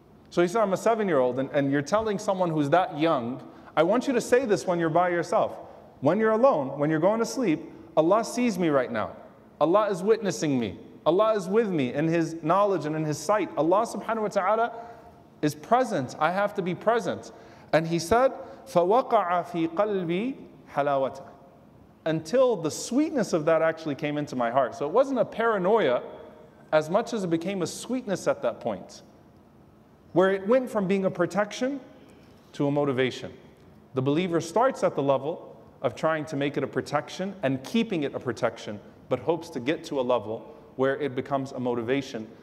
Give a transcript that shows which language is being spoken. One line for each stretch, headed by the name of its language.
English: So he said, I'm a seven-year-old, and you're telling someone who's that young, I want you to say this when you're by yourself. When you're alone, when you're going to sleep, Allah sees me right now. Allah is witnessing me. Allah is with me in His knowledge and in His sight. Allah subhanahu wa ta'ala is present. I have to be present. And he said,
Arabic: فَوَقَعَ فِي قَلْبِي حَلَاوَةً.
English: Until the sweetness of that actually came into my heart. So it wasn't a paranoia as much as it became a sweetness at that point, where it went from being a protection to a motivation. The believer starts at the level of trying to make it a protection and keeping it a protection, but hopes to get to a level where it becomes a motivation.